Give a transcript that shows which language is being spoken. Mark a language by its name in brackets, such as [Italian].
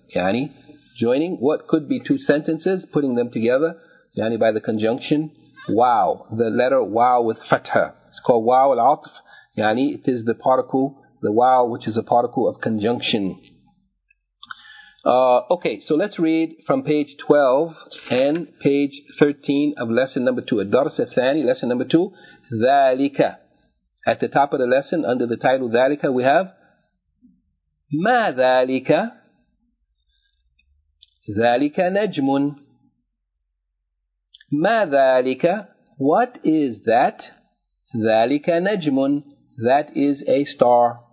[English] Yani, joining what could be two sentences, putting them together, yani by the conjunction wow, the letter wow with fatha. It's called wow al-af. Yani, it is the particle, the wow, which is a particle of conjunction. Okay, so let's read from page 12 and page 13 of lesson number 2. [Arabic] الدرس الثاني, [English] lesson number 2, ذلك. At the top of the lesson, under the title ذلك, we have [Arabic] ما ذلك؟ ذلك نجم. ما ذلك؟ [English] What is that? [Arabic] ذلك نجم. [English] That is a star.